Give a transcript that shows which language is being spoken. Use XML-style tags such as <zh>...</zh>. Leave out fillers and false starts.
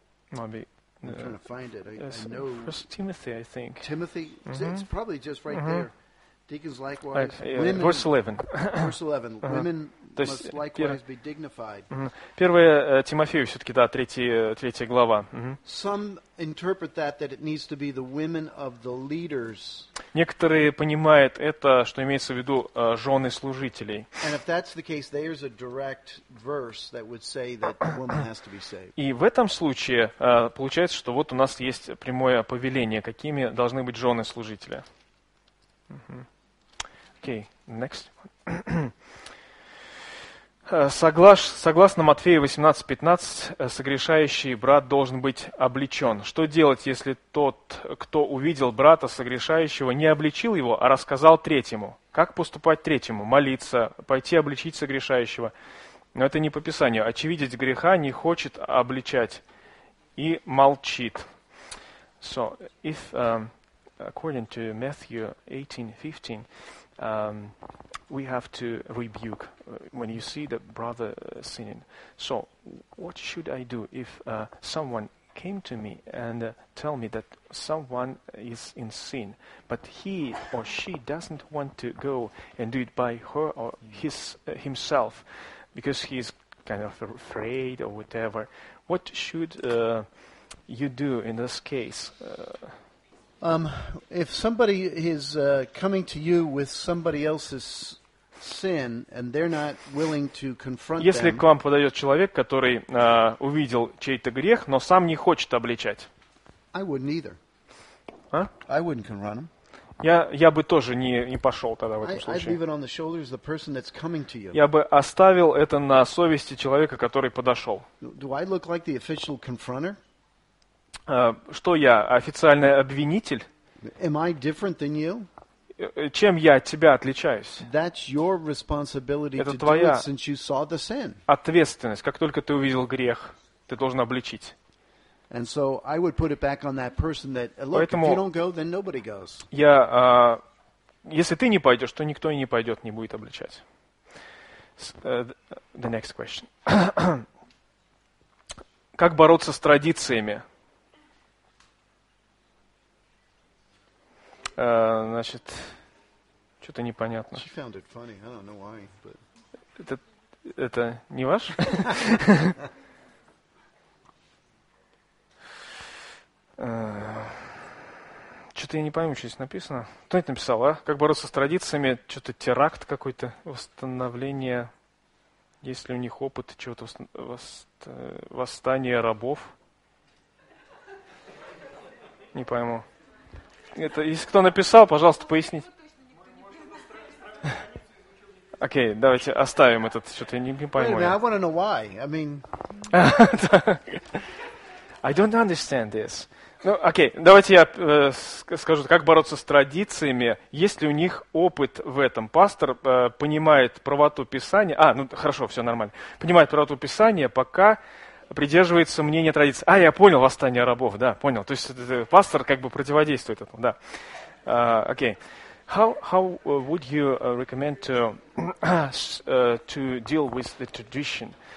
<en>Maybe. I'm trying to find it. I know. First Timothy, I think. Timothy? Mm-hmm. It's probably just right there. Deacons likewise. Verse 11. Verse 11. Women must likewise be dignified.</en> <ru>Первая Тимофею все-таки, да, третья глава.</ru> <en>Some interpret that it needs to be the women of the leaders.</en> <ru>Некоторые понимают это, что имеется в виду жены служителей.</ru> <en>And if that's the case, there's a direct verse that would say that the woman has to be saved.</en> <ru>И в этом случае получается, что вот у нас есть прямое повеление, какими должны быть жены служителя. Окей,</ru> <en>next.</en> <ru>Согласно Матфею 18:15, согрешающий брат должен быть обличен. Что делать, если тот, кто увидел брата согрешающего, не обличил его, а рассказал третьему? Как поступать третьему? Молиться, пойти обличить согрешающего. Но это не по Писанию. Очевидец греха не хочет обличать и молчит.</ru> <en>So, if according to Matthew 18:15, we have to rebuke when you see the brother sinning. So, what should I do if someone came to me and tell me that someone is in sin, but he or she doesn't want to go and do it by her or himself because he's kind of afraid or whatever? What should you do in this case? If somebody is coming to you with somebody else's sin and they're not willing to confront them.</en> <ru>Если к вам подойдет человек, который увидел чей-то грех, но сам не хочет обличать.</ru> <en>I wouldn't either.</en> <ru>А?</ru> <en>I wouldn't confront him.</en> <ru>Я бы тоже не пошел тогда в этом случае.</ru> <en>I'd leave it on the shoulders of the person that's coming to you.</en> <ru>Я бы оставил это на совести человека, который подошел.</ru> <en>Do I look like the official confronter?</en> <ru>Что я, официальный обвинитель?</ru> <en>Am I different than you?</en> <ru>Чем я от тебя отличаюсь?</ru> <en>That's your responsibility.</en> <ru>Это</ru> <en>to</en> <ru>твоя</ru> <en>do it since you saw the sin.</en> <ru>Ответственность. Как только ты увидел грех, ты должен обличить.</ru> <en>And so I would put it back on that person that look,</en> <ru>поэтому</ru> <en>if you don't go, then nobody goes.</en> <ru>Я, если ты не пойдешь, то никто и не пойдет, не будет обличать.</ru> <en>The next question.</en> <ru>Как бороться с традициями? Значит, Что-то непонятно.</ru> <en>She found it funny. I don't know why, but...</en> <ru>Это не ваш? Что-то я не пойму, что здесь написано. Кто это написал, а? Как бороться с традициями? Что-то теракт какой-то? Восстановление? Есть ли у них опыт чего-то? Восстание рабов? Не пойму. Это, если кто написал, пожалуйста, поясните. Окей, давайте оставим этот, что-то я не пойму.</ru> <en>Wait, I want to know why. I mean... I don't understand this.</en> <ru>Ну, окей, давайте я скажу, как бороться с традициями. Есть ли у них опыт в этом? Пастор понимает правоту Писания. А, ну хорошо, все нормально. Понимает правоту Писания, пока придерживается мнения традиции. А, я понял, восстание рабов, да, понял. То есть пастор как бы противодействует этому, да. Окей.</ru> <en>How would you recommend to us to deal with the tradition?</en>